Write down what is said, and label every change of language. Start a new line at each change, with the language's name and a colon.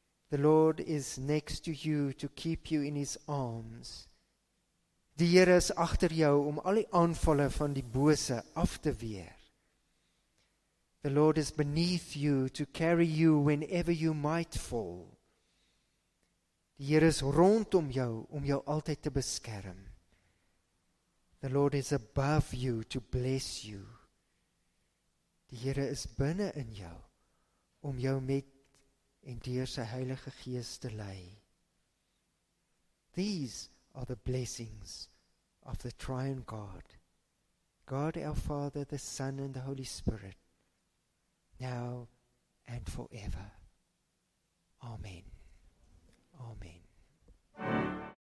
English: The Lord is next to you to keep you in his arms.
Afrikaans: Die Heere is agter jou om al die aanvalle van die bose af te weer.
English: The Lord is beneath you to carry you whenever you might fall.
Afrikaans: Die Heere is rondom jou om jou altyd te beskerm.
English: The Lord is above you to bless you.
Afrikaans: Die Heere is binne in jou om jou met en deur sy Heilige Gees te lei.
English: These are the blessings of the triune God, God our Father, the Son, and the Holy Spirit, now and forever. Amen. Amen.